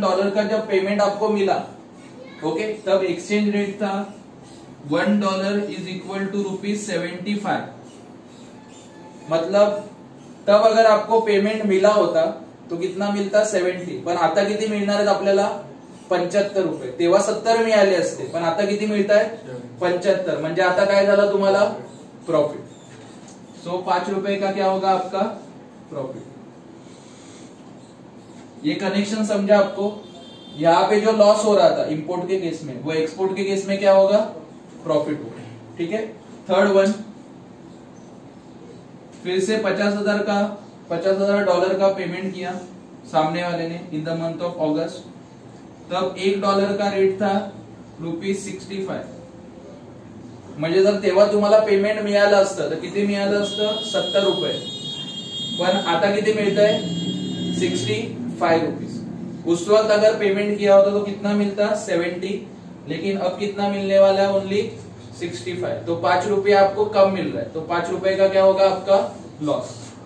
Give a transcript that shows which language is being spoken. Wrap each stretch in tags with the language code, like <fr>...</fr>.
<hi>का जब पेमेंट आपको मिला, ओके, तब एक्सचेंज रेट था 1 dollar is equal to rupees 75। मतलब तब अगर आपको पेमेंट मिला होता तो कितना मिलता 70,</hi> <mr>पण आता किती मिळणार आहे आपल्याला 75 रुपये, तेव्हा 70 मिळाले असते, पण आता किती मिळत आहे 75, म्हणजे आता काय झालं तुम्हाला? प्रॉफिट।</mr> <hi>सो 5 रुपये का क्या होगा आपका? प्रॉफिट। ये कनेक्शन समझा आपको? यहाँ पे जो लॉस हो रहा था इंपोर्ट के केस में, वो एक्सपोर्ट के केस में क्या होगा? प्रॉफिट होगा, ठीक है। थर्ड वन, फिर से 50,000 डॉलर का पेमेंट किया सामने वाले ने</hi> <en>in the month of August,</en> <hi>तब 1 डॉलर का रेट था ₹65,</hi> <mr>म्हणजे जर तेव्हा तुम्हाला पेमेंट मिळालं असतं</mr> <hi>तर किती मिळालं असतं?</hi> <mr>70 रुपये, पण आता किती मिळतंय? 65 रुपीज।</mr> <hi>उस वक्त अगर पेमेंट किया होता तो कितना मिलता? 70, लेकिन अब कितना मिलने वाला है? ओनली 65, तो 5 रुपये आपको कम मिल रहा है, तो 5 रुपये का क्या होगा आपका? लॉस।</hi>